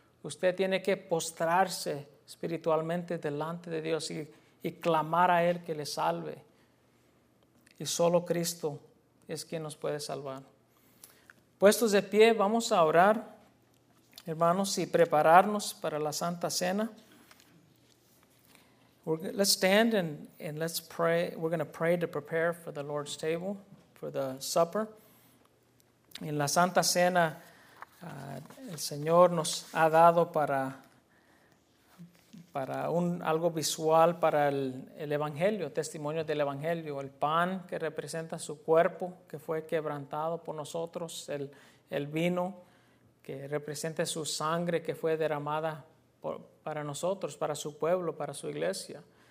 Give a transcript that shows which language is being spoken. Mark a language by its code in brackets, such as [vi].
[es] Usted tiene que postrarse espiritualmente delante de Dios y clamar a Él que le salve. Y solo Cristo es quien nos puede salvar. Puestos de pie, vamos a orar, hermanos, y prepararnos para la Santa Cena. [en] Let's stand and let's pray. We're going to pray to prepare for the Lord's table, for the supper. [es] En la Santa Cena, el Señor nos ha dado para un algo visual para el Evangelio, testimonio del Evangelio, el pan que representa su cuerpo que fue quebrantado por nosotros, el vino que representa su sangre que fue derramada para nosotros, para su pueblo, para su iglesia.